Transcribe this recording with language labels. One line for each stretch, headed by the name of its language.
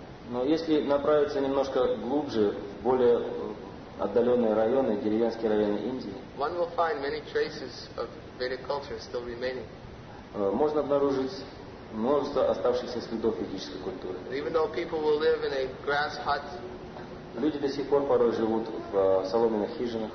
Russian: Но если направиться немножко глубже, в более отдаленные районы, деревенские районы Индии,
English: one will find many traces of Vedic culture still remaining.
Russian: Можно обнаружить множество оставшихся следов ведической культуры.
English: Even though people will live in a grass hut,
Russian: люди до сих пор порой живут в соломенных хижинах,